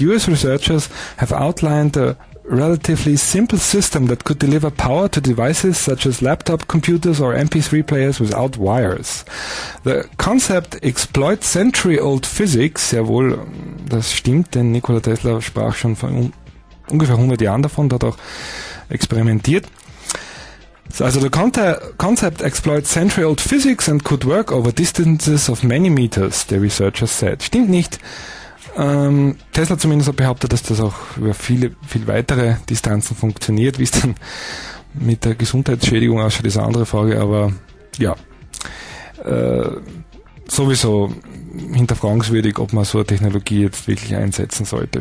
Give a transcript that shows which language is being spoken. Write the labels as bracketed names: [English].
[English] US researchers have outlined a relatively simple system that could deliver power to devices such as laptop computers or MP3 players without wires. The concept exploits century-old physics. [German] Jawohl, das stimmt, denn Nikola Tesla sprach schon vor ungefähr 100 Jahren davon, hat auch experimentiert. [English] So, also the concept exploits century-old physics and could work over distances of many meters, the researchers said. [German] Stimmt nicht. Tesla zumindest hat behauptet, dass das auch über viele, viel weitere Distanzen funktioniert. Wie es dann mit der Gesundheitsschädigung ausschaut, ist eine andere Frage. Aber ja, sowieso hinterfragenswürdig, ob man so eine Technologie jetzt wirklich einsetzen sollte.